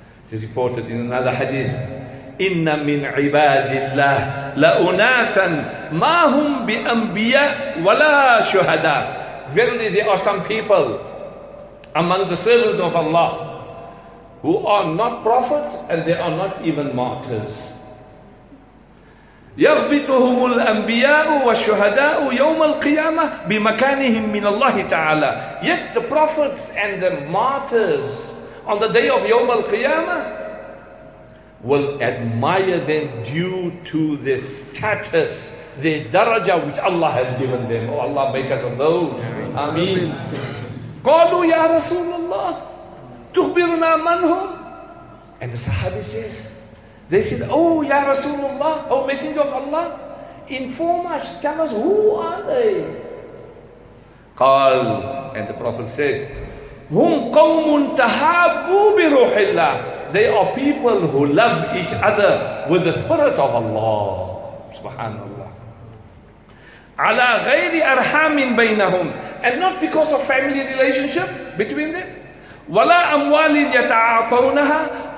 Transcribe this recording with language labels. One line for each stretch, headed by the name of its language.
English: He reported in another hadith,
Arabic: Inna min ibadillah la unasan ma hum bi anbiya wala shuhada.
English: Verily, there are some people among the servants of Allah who are not prophets and they are not even martyrs.
Arabic: يغبطهم الأنبياء والشهداء يوم القيامة بمكانهم من الله تعالى.
English: Yet the prophets and the martyrs on the day of
Arabic: يوم القيامة
English: will admire them due to their status, their daraja which Allah has given them. Oh Allah, make us of those. Ameen.
Arabic: قالوا يا رسول الله تخبرنا منهم.
English: And the Sahabi says, they said, oh Ya Rasulullah, oh Messenger of Allah, inform us, tell us, who are they?
Arabic: قال,
English: and the Prophet says,
Arabic: هُمْ قَوْمٌ تَحَابُوا بِرُوحِ اللَّهِ.
English: They are people who love each other with the Spirit of Allah.
Arabic: SubhanAllah. عَلَى غَيْرِ أَرْحَامٍ بَيْنَهُمْ.
English: And not because of family relationship between them.
Arabic: وَلَا أَمْوَالٍ يَتَعَاطَوْنَهَا.